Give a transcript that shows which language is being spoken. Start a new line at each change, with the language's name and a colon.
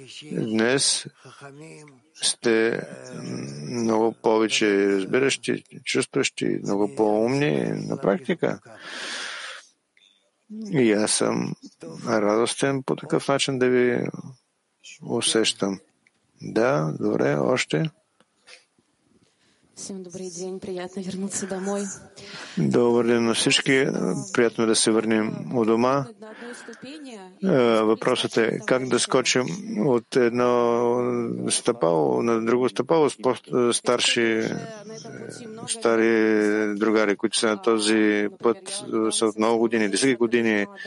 Bulgarian: Днес сте много повече разбиращи, чувстващи, много по-умни на практика. И аз съм радостен по такъв начин да ви усещам. Да, добре, още.
Russian: Всем добрый день, приятно вернуться домой.
Bulgarian: Добрый день на всички, приятно да се върнем у дома. Въпросът е как да скочим от едно стъпало на друго стъпало с по-старши стари другари, които са на този път с много години, десетки години.